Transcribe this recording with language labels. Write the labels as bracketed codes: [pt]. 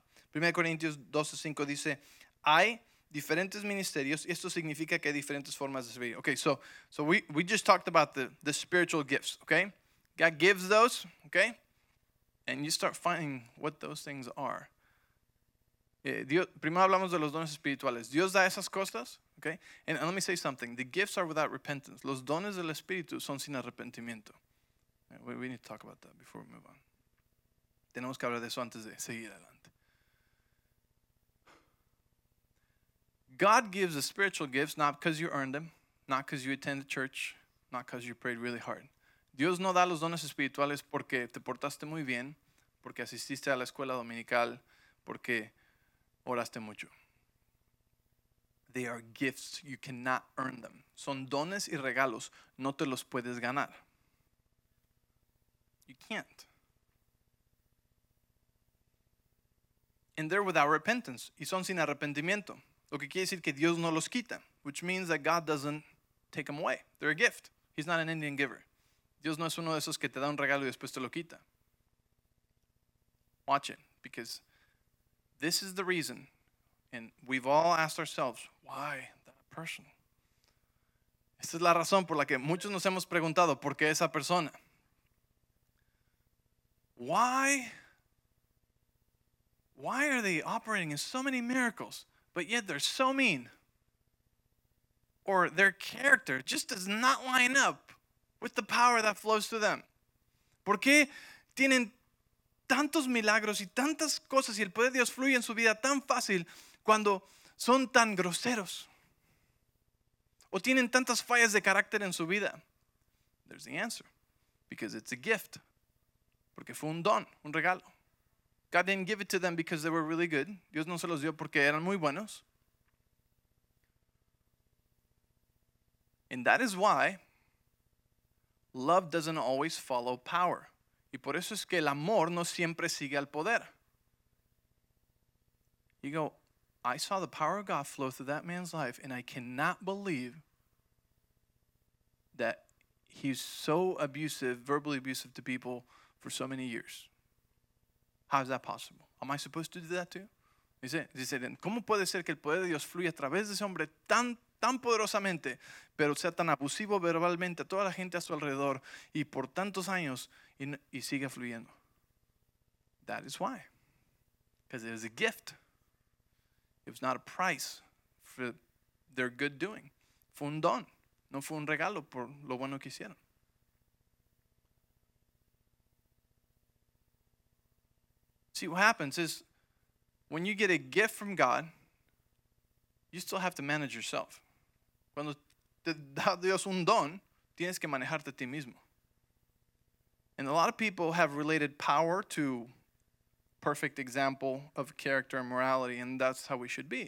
[es] Primera Corintios 12:5 dice, hay diferentes ministerios, esto significa que hay diferentes formas de servir. [en] Okay, so we just talked about the spiritual gifts, okay? God gives those, okay? And you start finding what those things are. [es] Primero hablamos de los dones espirituales. Dios da esas cosas, okay? [en] And let me say something, the gifts are without repentance. [es] Los dones del espíritu son sin arrepentimiento. [en] We need to talk about that before we move on. [es] tenemos que hablar de eso antes de seguir adelante. [en] God gives the spiritual gifts not because you earned them, not because you attended church, not because you prayed really hard. [es] Dios no da los dones espirituales porque te portaste muy bien, porque asististe a la escuela dominical, porque oraste mucho. [en] They are gifts. You cannot earn them. [es] Son dones y regalos. No te los puedes ganar. [en] You can't. And they're without repentance. [es] Y son sin arrepentimiento. Lo que quiere decir que Dios no los quita. [en] Which means that God doesn't take them away. They're a gift. He's not an Indian giver. [es] Dios no es uno de esos que te da un regalo y después te lo quita. [en] Watch it. Because this is the reason. And we've all asked ourselves, why that person? [es] Esta es la razón por la que muchos nos hemos preguntado, ¿por qué esa persona? [en] Why are they operating in so many miracles, but yet they're so mean? Or their character just does not line up with the power that flows through them. [es] ¿Por qué tienen tantos milagros y tantas cosas y el poder de Dios fluye en su vida tan fácil cuando son tan groseros? ¿O tienen tantas fallas de carácter en su vida? [en] There's the answer. Because it's a gift. [es] Porque fue un don, un regalo. [en] God didn't give it to them because they were really good. [es] Dios no se los dio porque eran muy buenos. [en] And that is why love doesn't always follow power. [es] Y por eso es que el amor no siempre sigue al poder. [en] You go, I saw the power of God flow through that man's life, and I cannot believe that he's so abusive, verbally abusive to people for so many years. How is that possible? Am I supposed to do that too? [es] Dice, ¿cómo puede ser que el poder de Dios fluya a través de ese hombre tan, tan poderosamente, pero sea tan abusivo verbalmente a toda la gente a su alrededor y por tantos años y siga fluyendo? [en] That is why. Because it is a gift. It was not a price for their good doing. [es] Fue un don. No fue un regalo por lo bueno que hicieron. [en] See, what happens is when you get a gift from God, you still have to manage yourself. [es] Cuando te da Dios un don, tienes que manejarte a ti mismo. [en] And a lot of people have related power to perfect example of character and morality, and that's how we should be.